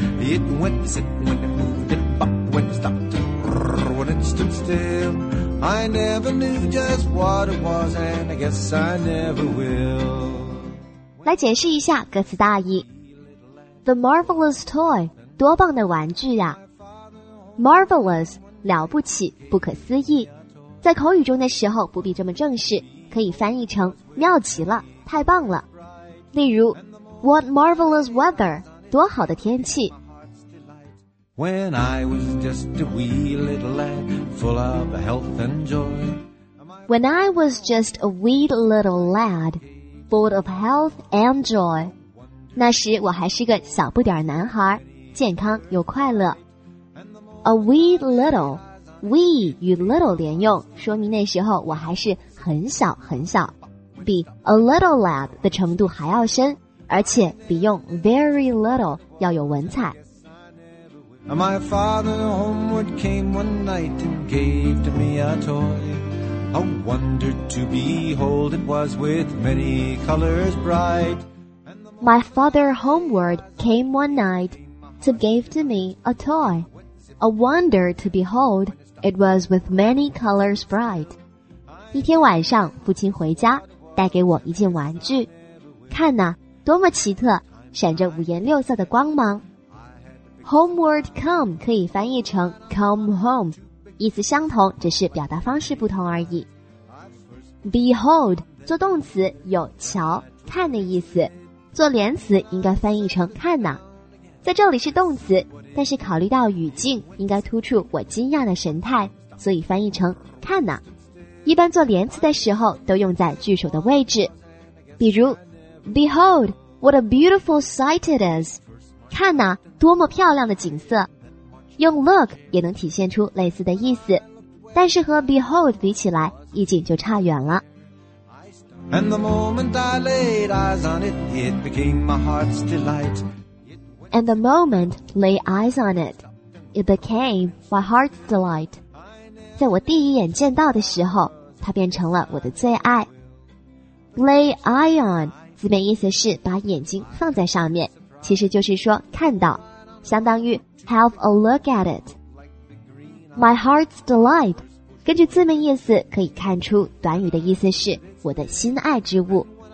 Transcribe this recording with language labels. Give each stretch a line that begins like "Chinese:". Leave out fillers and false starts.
English: It went zip when it moved, it bopped when it stopped, and brrr when it stood still. I never knew just what it was, and I guess I never will.
Chinese: 来解释一下歌词大意。
English: The marvelous toy，
Chinese: 多棒的玩具呀。 Marvelous， 了不起，不可思议。在口语中的时候不必这么正式，可以翻译成妙极了，太棒了。例如
English: What marvelous weather,
Chinese: 多好的天气。
English: When I was just a wee little lad, full of health and joy. When I was just a wee little lad, full of health and joy.
Chinese: 那时我还是个小不点男孩，健康又快乐。 A wee little, wee 与 little 连用，说明那时候我还是很小很小，比 a little lad 的程度还要深，而且比用 very little 要有文采。
English: My father homeward came one night and gave to me a toy. A wonder to behold it was with many colors bright. My father homeward came one night to gave to me a toy. A wonder to behold it was with many colors bright.
Chinese: 一天晚上父亲回家带给我一件玩具，看哪，多么奇特，闪着五颜六色的光芒。 Homeward come 可以翻译成 come home， 意思相同，只是表达方式不同而已。 Behold 做动词有瞧看的意思，做连词应该翻译成看哪。在这里是动词，但是考虑到语境应该突出我惊讶的神态，所以翻译成看哪。一般做连词的时候都用在句首的位置，比如
English: Behold, what a beautiful sight it is.
Chinese: 看哪，多么漂亮的景色。用 look 也能体现出类似的意思，但是和 behold 比起来，意境就差远了。
English: And the moment I laid eyes on it, it became my heart's delight. And the moment laid eyes on it, it became my heart's delight.
Chinese: 在我第一眼见到的时候，它变成了我的最爱。
English: Lay eye on.
Chinese: 字面意思是把眼睛放在上面，其实就是说看到，相当于
English: have a look at it. My heart's delight，
Chinese: 根据字面意思可以看出短语的意思是我的心爱之物。